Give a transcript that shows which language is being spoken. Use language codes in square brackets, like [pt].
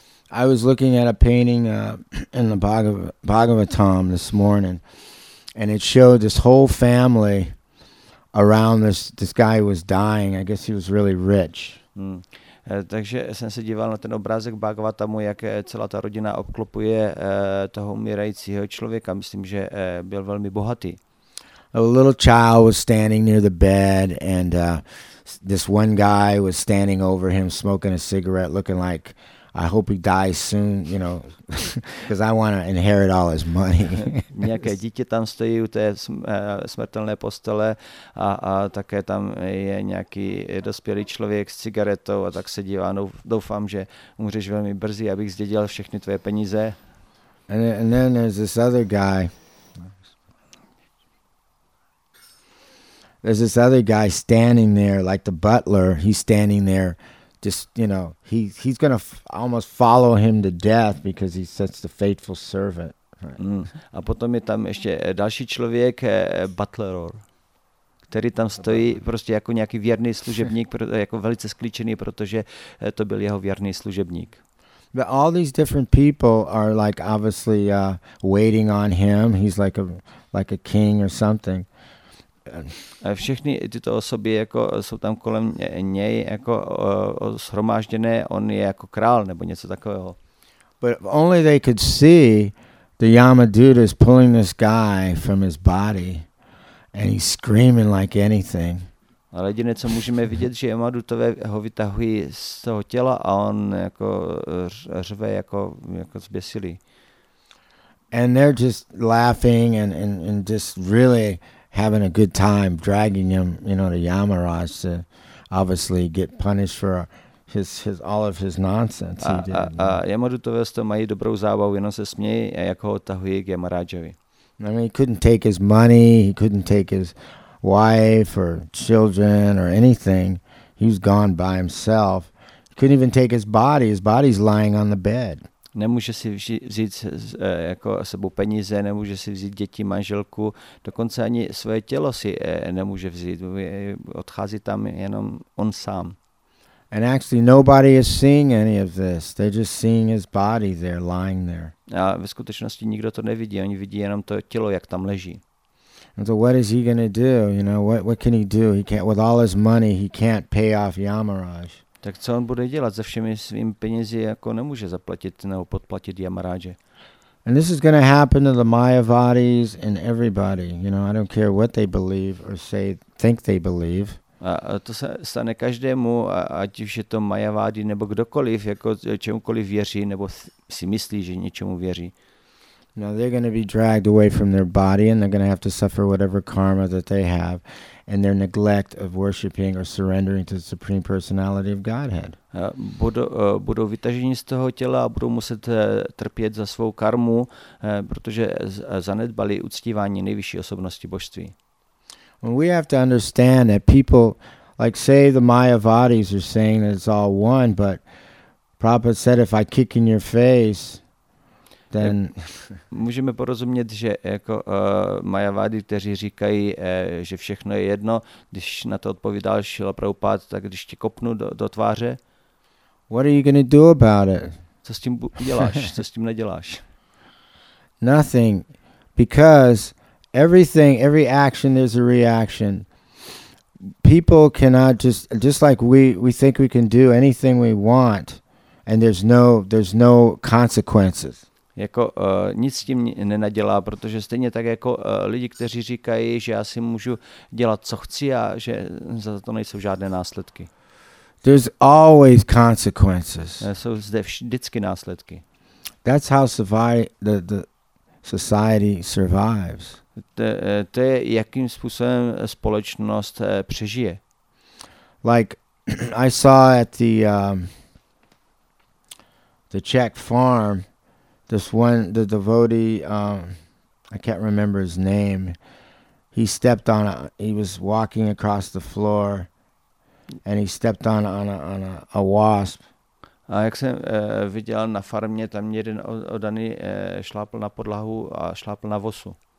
[en] I was looking at a painting in the Bhagavatam this morning and it showed this whole family around this guy who was dying. I guess he was really rich. [cs] Takže jsem se díval na ten obrázek Bhagavatamu, jak celá ta rodina obklopuje toho umírajícího člověka. Myslím, že byl velmi bohatý. [en] A little child was standing near the bed and this one guy was standing over him smoking a cigarette looking like I hope he dies soon, you know, because I want to inherit all his money. [cs] Nějaké dítě tam stojí u té smrtelné postele a také tam je nějaký dospělý člověk s cigaretou a tak se dívá. Doufám, že umřeš velmi brzy, abych zdědil všechny tvoje peníze. [en] And then there's this other guy. There's this other guy standing there, like the butler, he's standing there. Just, you know, he's going to almost follow him to death because he's such the faithful servant. Right? [cs] A potom je tam ještě další člověk, butler, který tam stojí prostě jako nějaký věrný služebník, jako velice sklíčený, protože to byl jeho věrný služebník. [en] But all these different people are like obviously waiting on him. He's like a king or something. [cs] Všechny tyto osoby jako jsou tam kolem něj jako shromážděné, on je jako král nebo něco takového. [en] But only they could see the Yamadut is pulling this guy from his body and he's screaming like anything. [cs] Ale jediné, co můžeme vidět, že Yamadutové ho vytahují z toho těla a on jako řve jako zběsilý. [en] And they're just laughing and just really having a good time dragging him, you know, to Yamaraj to obviously get punished for his all of his nonsense. [cs] A Yamadutové z toho mají dobrou zábavu, jenom se smějí, jak ho tahují k Yamarajovi. [en] I mean, he couldn't take his money, he couldn't take his wife or children or anything. He was gone by himself. He couldn't even take his body. His body's lying on the bed. [cs] Nemůže si vzít jako sebou peníze, nemůže si vzít děti, manželku, dokonce ani svoje tělo si nemůže vzít, odchází tam jenom on sám. [en] And actually nobody is seeing any of this. They're just seeing his body there lying there. [cs] A ve skutečnosti nikdo to nevidí, oni vidí jenom to tělo, jak tam leží. [en] And so what is he going to do? You know, what can he do? He can't, with all his money, he can't pay off Yamaraj. [cs] Tak co on bude dělat se všemi svými penězi, jako nemůže zaplatit nebo podplatit Yamaráže. [en] And this is going to happen to the Mayavadis and everybody. You know, I don't care what they believe or say, think they believe. [cs] A to se stane každému, ať už je to Mayavadi nebo kdokoliv, jako čemukoliv věří nebo si myslí, že něčemu věří. [en] Now they're going to be dragged away from their body and they're going to have to suffer whatever karma that they have and their neglect of worshiping or surrendering to the Supreme Personality of Godhead. [cs] Budou vytaženi z toho těla a budou muset trpět za svou karmu, protože zanedbali uctívání nejvyšší osobnosti božství. [en] When we have to understand that people, like say the Mayavadis are saying that it's all one, but Prabhupada said, if I kick in your face, then... [cs] Můžeme porozumět, že jako Mayavadi, kteří říkají, že všechno je jedno, když na to odpovídal Šila Prabhupada, tak když ti kopnu do tváře, [en] what are you going to do about it? [cs] Co s tím uděláš, co s tím neděláš? [en] Nothing, because everything, every action is a reaction. People cannot just like we think we can do anything we want, and there's no consequences. [cs] Jako nic s tím nenadělá, protože stejně tak jako lidi, kteří říkají, že já si můžu dělat, co chci a že za to nejsou žádné následky. [en] There's always consequences. [cs] Jsou zde vždycky následky. [en] That's how the society survives. [cs] To je, jakým způsobem společnost přežije. [en] Like I saw at the Czech farm, this one, the devotee, I can't remember his name, he stepped on a, he was walking across the floor and he stepped on a wasp. [cs] A jak jsem viděl na farmě, tam jeden odaný šlápl na podlahu a šlápl na vosu.